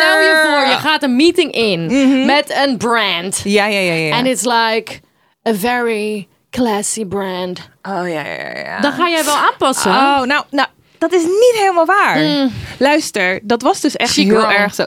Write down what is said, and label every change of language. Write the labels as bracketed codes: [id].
[nl] Stel je voor, je gaat een meeting in met een brand. Ja, ja, ja, ja. [en] And it's like a very classy brand. [nl] Oh, ja, ja, ja, ja. Dan ga jij wel aanpassen. Oh, nou, dat is niet helemaal waar. Mm. Luister, dat was dus echt heel erg zo.